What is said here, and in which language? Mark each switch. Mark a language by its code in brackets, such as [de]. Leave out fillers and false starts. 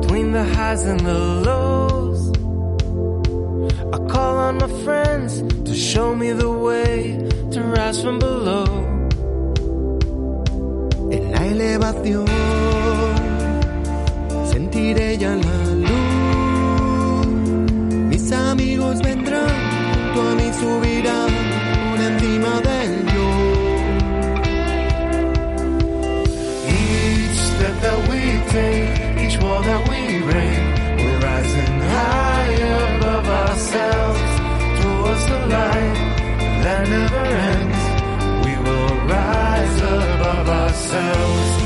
[en] The highs and the lows, I call on my friends to show me the way to rise from below. [es] En la elevación sentiré ya la luz, mis amigos vendrán junto a mí, subirán por encima del yo. [en] Each step that we take, each wall that we break, we're rising high above ourselves towards the light that never ends. We will rise above ourselves.